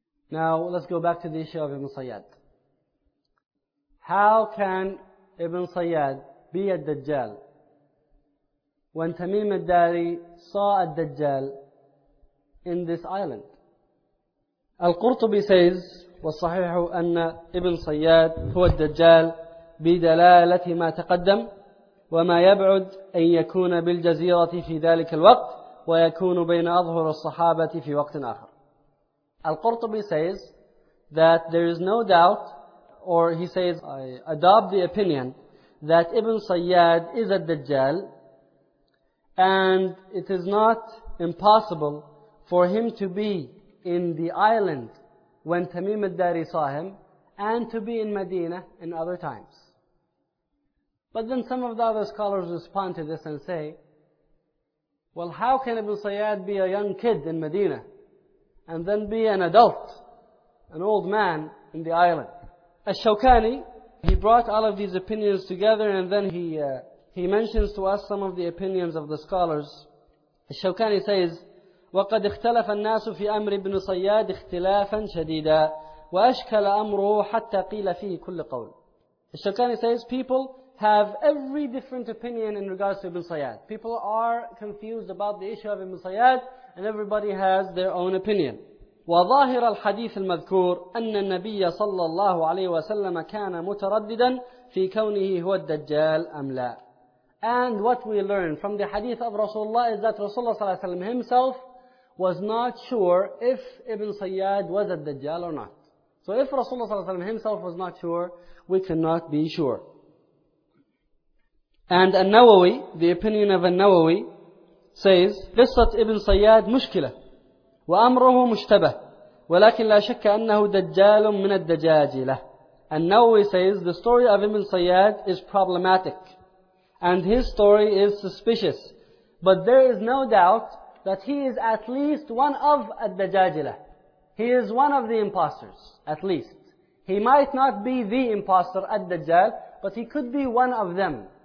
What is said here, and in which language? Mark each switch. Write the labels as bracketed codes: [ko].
[en] Now, let's go back to the issue of Ibn Sayyad. How can Ibn Sayyad be a Dajjal when Tamim al-Dari saw a Dajjal in this island? Al-Qurtubi says, [ar] وَالصَّحِيحُ أَنَّ إِبْنَ صَيَّادٍ هُوَ الدَّجَّالُ بِدَلَالَةِ مَا تَقَدَّمَ وَمَا يَبْعُدُ أَنْ يَكُونَ بِالْجَزِيرَةِ فِي ذَلِكَ الْوَقْتِ وَيَكُونُ بَيْنَ أَظْهُرِ الصَّحَابَةِ فِي وَقْتٍ آخَرٍ. [en] Al-Qurtubi says that there is no doubt, or he says, I adopt the opinion that Ibn Sayyad is a Dajjal, and it is not impossible for him to be in the island when Tamim al-Dari saw him, and to be in Medina in other times. But then some of the other scholars respond to this and say, well, how can Ibn Sayyad be a young kid in Medina and then be an adult, an old man in the island? Al-Shawkani, he brought all of these opinions together, and then he mentions to us some of the opinions of the scholars. Al-Shawkani says, [ar] وَقَدْ اخْتَلَفَ النَّاسُ فِي أَمْرِ ابْنُ صَيَّادِ اخْتِلَافًا شَدِيدًا وَأَشْكَلَ أَمْرُهُ حَتَّى قِيلَ فِيهِ كُلِّ قَوْلٍ. [en] Shawkani says, people have every different opinion in regards to Ibn Sayyad. People are confused about the issue of Ibn Sayyad, and everybody has their own opinion. [ar] وَظَاهِرَ الْحَدِيثِ الْمَذْكُورِ أَنَّ النَّبِيَّ صَلَّى اللَّهُ عَلَيْهِ وَسَلَّمَ كَانَ مُتَرَدِّدًا فِي كَوْنِهِ هُوَ الدَّجَّالُ أَمْ لَا. [en] And what we learn from the hadith of Rasulullah is that Rasulullah ﷺ himself was not sure if Ibn Sayyad was a Dajjal or not. So if Rasulullah ﷺ himself was not sure, we cannot be sure. And An-Nawawi, the opinion of An-Nawawi, says, [ar] قِصَّةِ Ibn Sayyad مُشْكِلَةِ وَأَمْرُهُ مُشْتَبَةِ وَلَكِنْ لَا شَكَّ أَنَّهُ دَجَّالٌ مِنَ الدَّجَاجِلَةِ. [en] An-Nawawi says, the story of Ibn Sayyad is problematic, and his story is suspicious. But there is no doubt that he is at least one of Ad-Dajajila. He is one of the imposters, at least. He might not be the imposter, Ad-Dajjal, but he could be one of them.